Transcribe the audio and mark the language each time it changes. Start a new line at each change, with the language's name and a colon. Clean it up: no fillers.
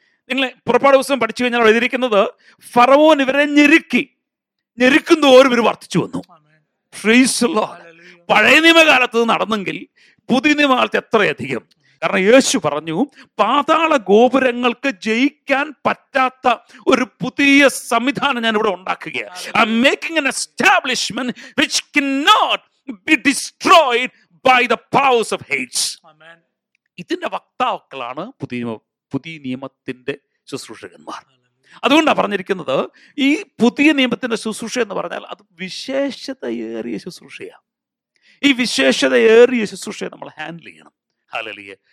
Malayalam: നിങ്ങൾ പുറപ്പാട് ദിവസം പഠിച്ചു കഴിഞ്ഞാൽ എഴുതിയിരിക്കുന്നത് ഫറവോൻ ഇവരെ ഞെരുക്കി ഞെരുക്കുന്നതോരും ഇവർ വർദ്ധിച്ചു വന്നു.
English: Praise the Lord.
Malayalam: പഴയ നിയമകാലത്ത് നടന്നെങ്കിൽ പുതിയ നിയമകാലത്ത് എത്രയധികം. കാരണം യേശു പറഞ്ഞു പാതാള ഗോപുരങ്ങൾക്ക് ജയിക്കാൻ പറ്റാത്ത ഒരു പുതിയ സംവിധാനം ഞാൻ ഇവിടെ ഉണ്ടാക്കുകയാണ്.
English: I'm making an establishment which cannot be destroyed by the powers of hates. Amen.
Malayalam: ഇതിന്റെ വക്താക്കളാണ് പുതിയ നിയമത്തിന്റെ ശുശ്രൂഷകന്മാർ. അതുകൊണ്ടാണ് പറഞ്ഞിരിക്കുന്നത് ഈ പുതിയ നിയമത്തിന്റെ ശുശ്രൂഷ എന്ന് പറഞ്ഞാൽ അത് വിശേഷതയേറിയ ശുശ്രൂഷയാണ്. ഈ വിശേഷതയേറിയ ശുശ്രൂഷയെ നമ്മൾ ഹാൻഡിൽ ചെയ്യണം. ഹല്ലേലൂയ.